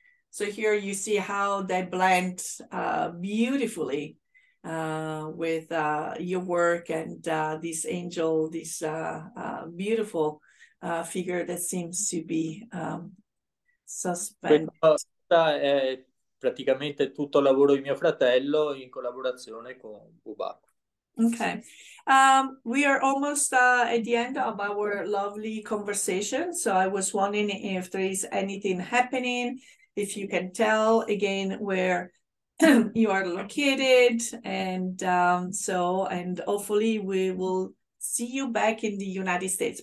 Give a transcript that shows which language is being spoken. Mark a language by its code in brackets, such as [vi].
[en] So here you see how they blend beautifully with your work and this angel, this beautiful figure that seems to be suspended. [it] Questa è praticamente tutto il lavoro di mio fratello in collaborazione con Bubacco. [en] Okay, we are almost at the end of our lovely conversation. So I was wondering if there is anything happening, if you can tell again where you are located, and hopefully we will see you back in the United States.